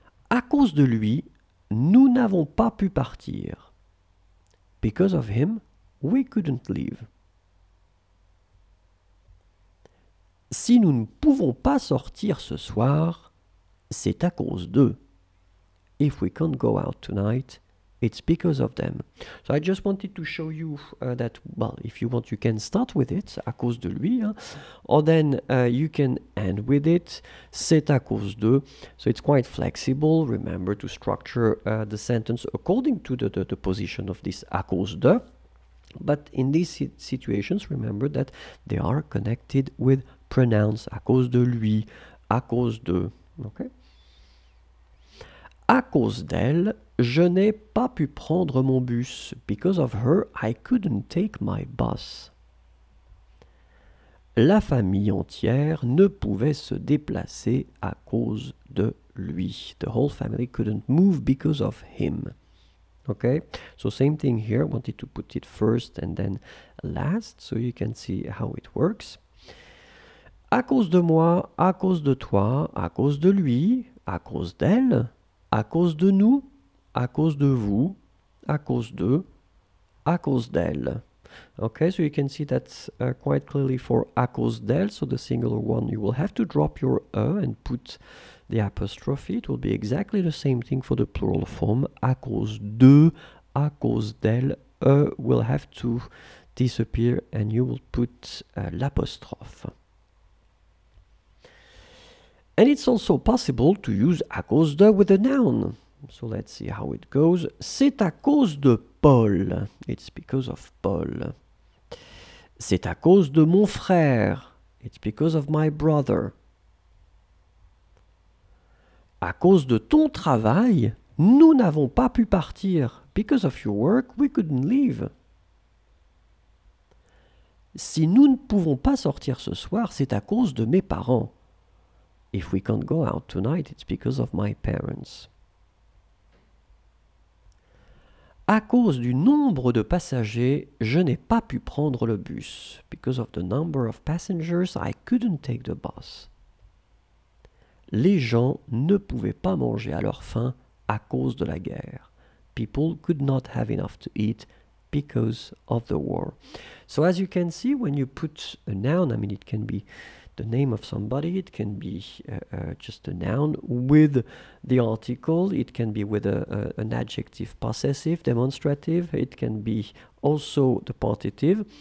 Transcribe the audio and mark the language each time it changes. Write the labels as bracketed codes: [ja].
[fr] À cause de lui, nous n'avons pas pu partir. [en] Because of him, we couldn't leave. [fr] Si nous ne pouvons pas sortir ce soir, c'est à cause d'eux. [en] If we can't go out tonight, it's because of them. So I just wanted to show you that, well, if you want, you can start with it, [fr] à cause de lui. Hein? [en] Or then you can end with it, [fr] c'est à cause d'eux. [en] So it's quite flexible. Remember to structure the sentence according to the position of this à cause de. But in these situations, remember that they are connected with pronouns, [fr] à cause de lui, à cause de, [en] okay? [fr] À cause d'elle, je n'ai pas pu prendre mon bus. [en] Because of her, I couldn't take my bus. [fr] La famille entière ne pouvait se déplacer à cause de lui. [en] The whole family couldn't move because of him. Okay, so same thing here. I wanted to put it first and then last, so you can see how it works. [fr] À cause de moi, à cause de toi, à cause de lui, à cause d'elle, à cause de nous, à cause de vous, à cause de, à cause d'elle. [en] Okay, so you can see that quite clearly for [fr] à cause d'elle, [en] so the singular one, you will have to drop your e and put the apostrophe. It will be exactly the same thing for the plural form, [fr] à cause de, à cause d'elle, [en] e will have to disappear and you will put l'apostrophe. And it's also possible to use à cause de with a noun. So let's see how it goes. [fr] C'est à cause de Paul. [en] It's because of Paul. [fr] C'est à cause de mon frère. [en] It's because of my brother. [fr] À cause de ton travail, nous n'avons pas pu partir. [en] Because of your work, we couldn't leave. [fr] Si nous ne pouvons pas sortir ce soir, c'est à cause de mes parents. [en] If we can't go out tonight, it's because of my parents. [fr] À cause du nombre de passagers, je n'ai pas pu prendre le bus. [en] Because of the number of passengers, I couldn't take the bus. [fr] Les gens ne pouvaient pas manger à leur faim à cause de la guerre. [en] People could not have enough to eat because of the war. So as you can see, when you put a noun, I mean, it can be the name of somebody, it can be just a noun with the article, it can be with an adjective, possessive, demonstrative, it can be also the partitive.